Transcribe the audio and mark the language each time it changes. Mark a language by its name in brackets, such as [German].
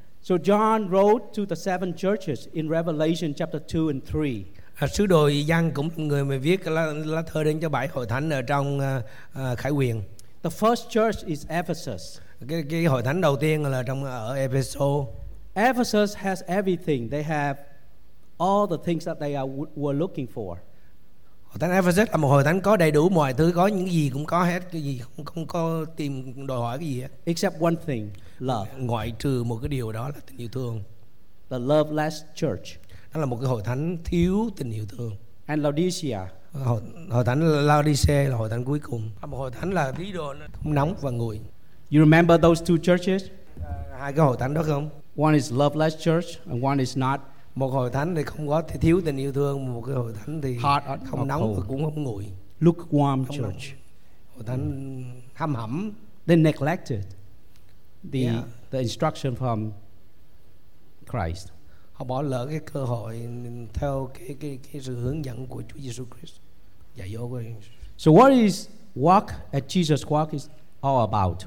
[English] So John wrote to the seven churches in Revelation chapter 2 and 3. [Vietnamese] Sứ đồ Giăng cũng người mà viết lá thư đến cho bảy hội thánh ở trong Khải Huyền. [English] The first church is Ephesus. [Vietnamese] Cái hội thánh đầu tiên là ở Ephesus. [English] Ephesus has everything. They have all the things that they were looking for. [Vietnamese] Hội thánh Ephesus là một hội thánh có đầy đủ mọi thứ, có những gì cũng có hết, cái gì không có tìm đòi hỏi cái gì hết. [English] Except one thing, love. [Vietnamese] Ngoại trừ một cái điều đó là tình yêu thương. [English] The loveless church. [Vietnamese] Đó là một cái hội thánh thiếu tình yêu thương. [English] And Laodicea. [Vietnamese] Hội thánh Laodicea là hội thánh cuối cùng. Một hội thánh là tín đồ không nóng và nguội. [English] You remember those two churches? [Vietnamese] Hai cái hội thánh đó không? [English] One is loveless church and one is not. [Vietnamese] Một hội thánh thì không có thiếu tình yêu thương, một cái hội thánh thì [English] hot, [Vietnamese] không nóng và cũng không nguội. [English] Lukewarm church. [Vietnamese] Hội thánh hăm hẩm. [English] They neglected the instruction from Christ. [Vietnamese] Họ bỏ lỡ cái cơ hội theo cái sự hướng dẫn của Chúa Jesus Christ. Dạy dỗ của Jesus. [English] So what is walk as Jesus walk is all about?